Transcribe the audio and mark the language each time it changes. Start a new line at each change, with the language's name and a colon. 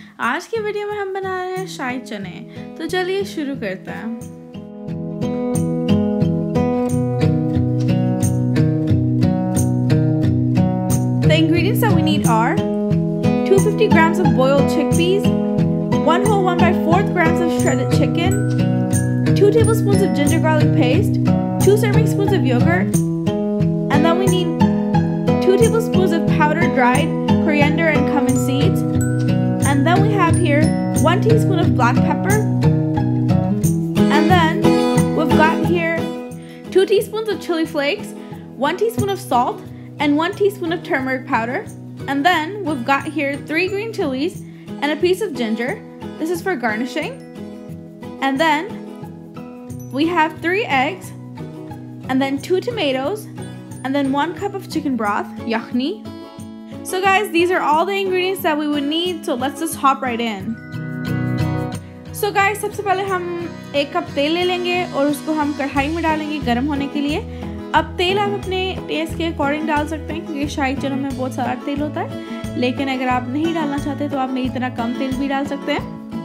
Hindi: आज की वीडियो में हम बना रहे हैं शाही चने, तो चलिए शुरू करते हैं।
English: The ingredients that we need are 250 grams of boiled chickpeas, 1 whole 1/4 grams of shredded chicken, 2 tablespoons of ginger garlic paste, 2 serving spoons of yogurt, and then we need 2 tablespoons of powdered dried coriander and cumin seeds, and then we have here 1 teaspoon of black pepper, and then we've got here 2 teaspoons of chili flakes, 1 teaspoon of salt, and 1 teaspoon of turmeric powder, and then we've got here 3 green chilies and a piece of ginger. This is for garnishing. And then we have 3 eggs, and then 2 tomatoes, and then 1 cup of chicken broth, yakhni. So guys, these are all the ingredients that we would need, so let's just hop right in.
Hindi: So guys, सबसे पहले हम एक cup तेल ले लेंगे और उसको हम कढ़ाई में डालेंगे गर्म होने के लिए। अब तेल आप अपने टेस्ट के अकॉर्डिंग डाल सकते हैं क्योंकि शाही चनों में बहुत सारा तेल होता है, लेकिन अगर आप नहीं डालना चाहते तो आप मेरी तरह कम तेल भी डाल सकते हैं।